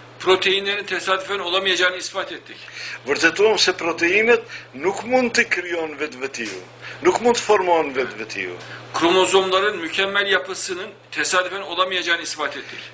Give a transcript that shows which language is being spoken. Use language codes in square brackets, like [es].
[tr] Proteinlerin tesadüfen olamayacağını ispat ettik. [sq] Vërtetuam se proteinet nuk mund të kryon vetë vetiu, nuk mund të formon vetë vetiu. [tr] Kromozomların mükemmel yapısının tesadüfen olamayacağını ispat ettik.